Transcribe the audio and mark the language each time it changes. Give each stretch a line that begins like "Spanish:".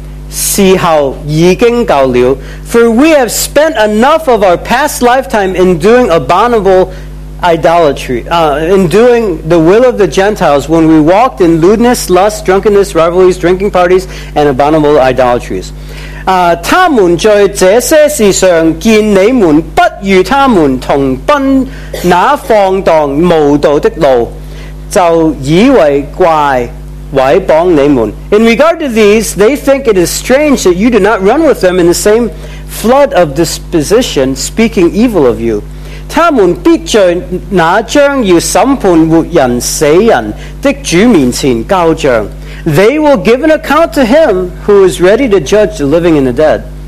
Chinese: 因为往日随从外邦人的心意行邪淫、恶欲、醉酒、荒宴、群饮，并可污拜偶像之事的事，事后已经够了。
English: For we have spent enough of our past lifetime in doing abominable idolatry, in doing the will of the Gentiles when we walked in lewdness, lust, drunkenness, revelries, drinking parties, and abominable idolatries.
Chinese: 他们在这些事上见你们不如他们同奔那放荡无道的路，就以为怪毁谤你们。
English: In regard to these, they think it is strange that you do not run with them in the same flood of disposition, speaking evil of you.
Chinese: 他们必在那将要审判活人死人的主面前交账。
English: They will give an account to him who is ready to judge the living and the dead.